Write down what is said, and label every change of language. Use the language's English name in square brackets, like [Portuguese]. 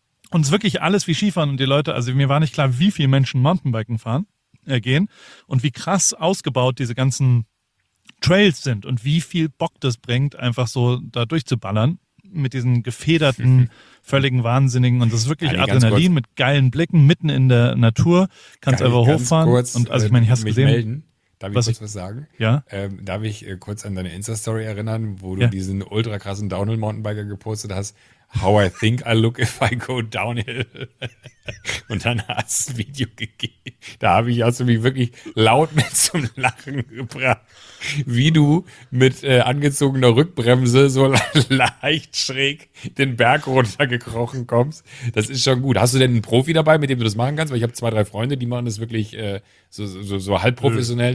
[German] Und es ist wirklich alles wie Skifahren und die Leute, also mir war nicht klar, wie viele Menschen Mountainbiken fahren, gehen und wie krass ausgebaut diese ganzen Trails sind und wie viel Bock das bringt, einfach so da durchzuballern mit diesen gefederten, völligen Wahnsinnigen. Und das ist wirklich ja, Adrenalin kurz, mit geilen Blicken, mitten in der Natur, kannst einfach hochfahren. Kurz, und also ich meine, ich hast gesehen. Melden. Darf ich kurz was sagen? Ja. Darf ich kurz an deine Insta-Story erinnern, wo du diesen ultra krassen Downhill-Mountainbiker gepostet hast? [English] How I think I look if I go downhill. [German] Und dann hast du das Video gegeben. Da habe ich also mich wirklich laut mit zum Lachen gebracht. Wie du mit angezogener Rückbremse so leicht schräg den Berg runtergekrochen kommst. Das ist schon gut. Hast du denn einen Profi dabei, mit dem du das machen kannst? Weil ich habe 2-3 Freunde, die machen das wirklich so halb professionell.